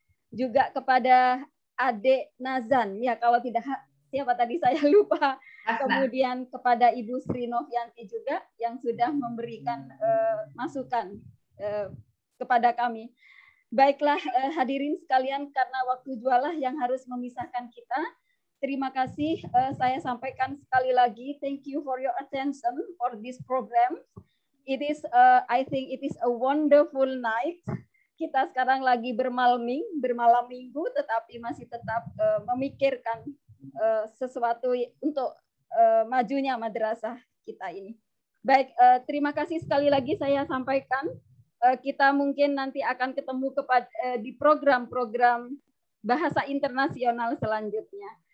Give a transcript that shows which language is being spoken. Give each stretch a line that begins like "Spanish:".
Indonesian: Juga kepada Adik Nazan, ya kalau tidak siapa tadi saya lupa. Kemudian kepada Ibu Sri Novianti juga yang sudah memberikan masukan kepada kami. Baiklah hadirin sekalian, karena waktu jualah yang harus memisahkan kita. Terima kasih, saya sampaikan sekali lagi.
English: Thank you for your attention for this program. It is, I think it is a wonderful night.
Indonesian: Kita sekarang lagi bermalam minggu, tetapi masih tetap memikirkan sesuatu untuk majunya madrasah kita ini. Baik, terima kasih sekali lagi saya sampaikan. Kita mungkin nanti akan ketemu di program-program bahasa internasional selanjutnya.